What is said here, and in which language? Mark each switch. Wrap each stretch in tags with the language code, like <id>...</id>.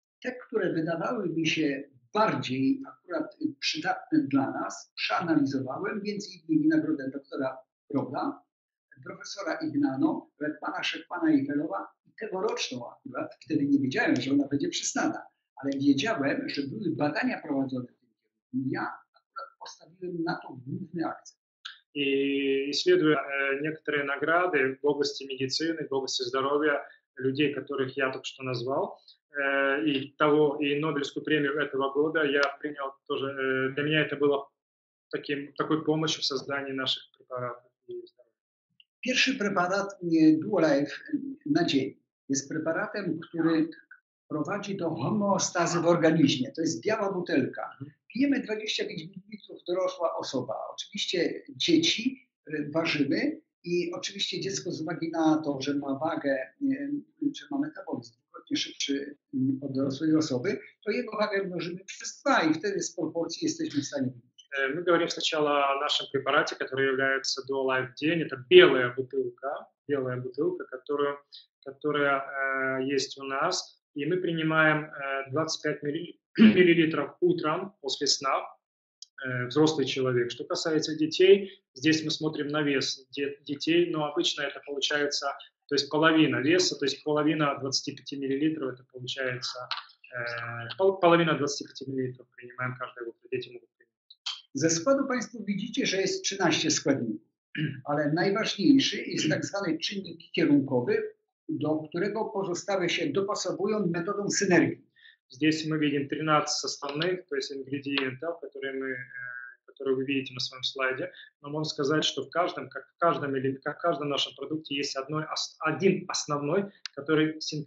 <ru>Те, которые выдавали мне себе</ru> <pl>bardziej akurat przydatne dla nas, przeanalizowałem, więc i nagrodę doktora Broda, profesora Ignano, pana Szekpana i Felowa, tegoroczną akurat, wtedy nie wiedziałem, że ona będzie przyznana, ale wiedziałem, że były badania prowadzone w tym kierunku. Ja akurat postawiłem na to główny akcent.</pl> <ru>И исследуя некоторые награды в области медицины, в области здоровья людей, которых я только что назвал, и того, и Нобелевскую премию этого года, я принял тоже, для меня это было такой помощью в создании наших препаратов. Первый препарат Dual Life на день есть препаратом, который</ru> <pl>prowadzi do homeostazy w organizmie. To jest biała butelka. Pijemy 25 ml dorosła osoba. Oczywiście dzieci, ważymy i oczywiście dziecko z uwagi na to, że ma wagę, czy ma metabolizm dwukrotnie szybszy od dorosłej osoby, to jego wagę mnożymy przez 2 i wtedy z proporcji jesteśmy w stanie. My mówimy</pl> <ru>сначала</ru> <pl>o naszym preparacie, który</pl> <ru>является</ru> <pl>Dual Life Dzień. To biała butelka, która jest u nas.</pl> <ru>И мы принимаем 25 миллилитров утром после сна, взрослый человек. Что касается детей, здесь мы смотрим на вес детей, но обычно это получается, то есть половина веса, то есть половина 25 миллилитров, это получается, половина 25 миллилитров принимаем каждое утро, дети могут принимать.</ru> <pl>Ze składu Państwo widzicie, że jest 13 składników, ale najważniejszy jest tak zwany czynnik kierunkowy,</pl> <ru>до которого</ru> <pl>pozostałe się dopasowują metodą synergii.</pl> <ru>Здесь мы видим 13 составных, то есть ингредиентов, которые вы видите на своем слайде. Но можно сказать, что в каждом нашем продукте есть один основной, который</ru>